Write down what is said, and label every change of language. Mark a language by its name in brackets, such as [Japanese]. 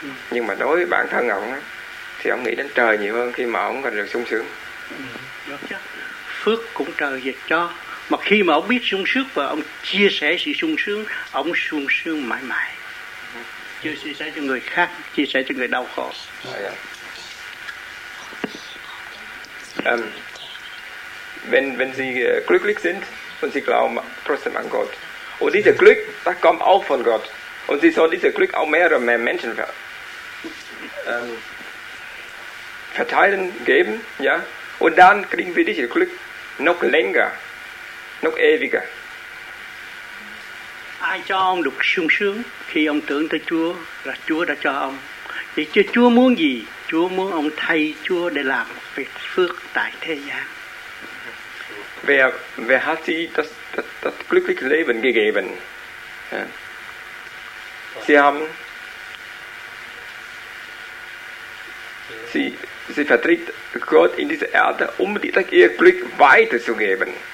[Vietnamese] Nhưng mà đối với bản thân ông á, thì ông nghĩ đến trời nhiều hơn khi mà ông còn được sung sướng. Được chứ. Phước cũng trời dịch cho. Mà khi mà ông biết sung sướng và ông chia sẻ sự sung sướng mãi mãi. Chưa chia sẻ cho người khác, chia sẻ cho người đau khổ. [German] Wenn Sie glücklich sind und Sie glauben trotzdem an Gott. Und dieses Glück, das kommt auch von Gott. Und Sie sollen dieses Glück auch mehr und mehr Menschen verteilen, geben, ja, und dann kriegen wir dieses Glück noch länger, noch ewiger. [Vietnamese] Ai cho ông được sung sướng khi ông tưởng tới Chúa là Chúa đã cho ông. Vậy chứ Chúa muốn gì? Chúa muốn ông thay Chúa để làm việc phước tại thế gian. [German] Wer hat sie das glückliche Leben gegeben? Ja. Sie haben sie vertritt Gott in dieser Erde, um ihr Glück weiterzugeben.